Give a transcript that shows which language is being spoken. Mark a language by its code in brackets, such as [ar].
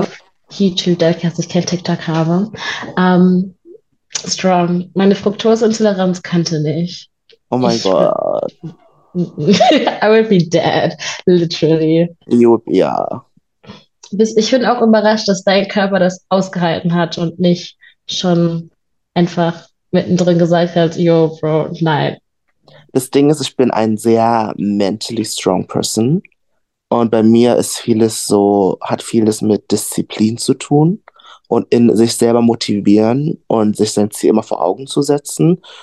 [de] auf YouTube, da ich jetzt kein TikTok habe. [en] Strong. [de] Meine Fruktoseintoleranz könnte nicht. Oh mein Ich würde. Gott. [en] I would be dead, literally. [de] Ja. Ich bin auch überrascht, dass dein Körper das ausgehalten hat und nicht schon einfach mittendrin gesagt hat: Yo, Bro, nein. Das Ding ist, ich bin ein sehr [en] mentally strong person. [de] Und bei mir ist vieles so, hat vieles mit Disziplin zu tun und in sich selber motivieren und sich sein Ziel immer vor Augen zu setzen.